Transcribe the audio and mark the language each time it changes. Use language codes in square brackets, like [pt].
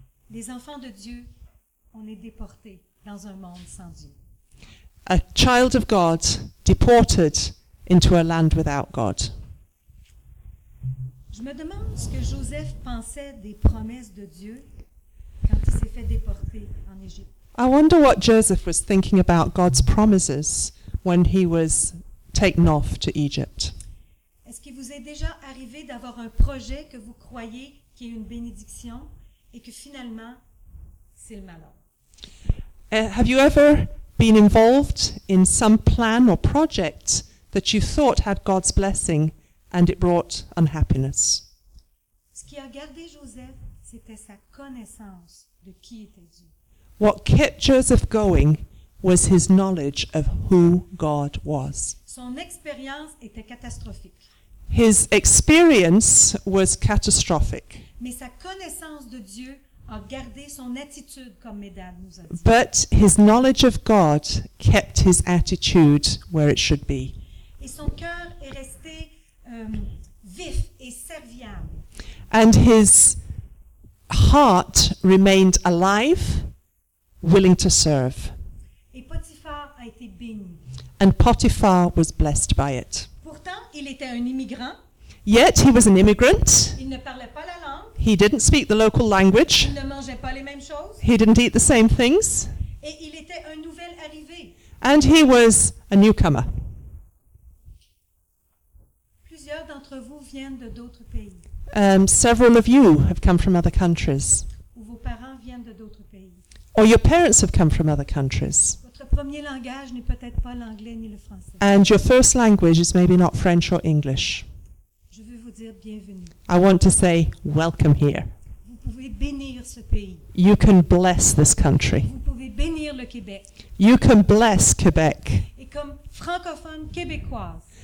[fr] Les enfants de Dieu, on est déportés dans un monde sans Dieu. [en] A child of God deported into a land without God. [fr] Je me demande ce que Joseph pensait des promesses de Dieu quand il s'est fait déporter en Égypte. [en] I wonder what Joseph was thinking about God's promises when he was taken off to Egypt. [fr] Est-ce qu'il vous est déjà arrivé d'avoir un projet que vous croyez qui est une bénédiction et que finalement c'est le malheur? [en] Have you ever been involved in some plan or project that you thought had God's blessing and it brought unhappiness? [fr] Ce qui a gardé Joseph, c'était sa connaissance de qui était Dieu. [en] What kept Joseph going was his knowledge of who God was. [fr] Son expérience était catastrophique. [en] His experience was catastrophic. [fr] Mais sa connaissance de Dieu a gardé son attitude, comme Médane nous a dit. [en] But his knowledge of God kept his attitude where it should be. [fr] Et son cœur est resté vif et serviable. [en] And his heart remained alive, willing to serve. [fr] Et Potiphar a été béni. [en] And Potiphar was blessed by it. [fr] Pourtant, il était un immigrant. [en] Yet he was an immigrant. [fr] Il ne parlait pas la langue. [en] He didn't speak the local language. [fr] Il ne mangeait pas les mêmes choses. [en] He didn't eat the same things. [fr] Et il était un nouvel arrivé. [en] And he was a newcomer. [fr] Plusieurs d'entre vous viennent de d'autres pays. [en] Several of you have come from other countries. [fr] Ou vos parents viennent de d'autres pays. [en] Or your parents have come from other countries. [fr] Votre premier langage n'est peut-être pas l'anglais ni le français. [en] And your first language is maybe not French or English. [fr] Je veux vous dire bienvenue. [en] I want to say welcome here. [fr] Vous pouvez bénir ce pays. [en] You can bless this country. [fr] Vous pouvez bénir le Québec. [en] You can bless Quebec. [fr] Et comme francophone québécoise.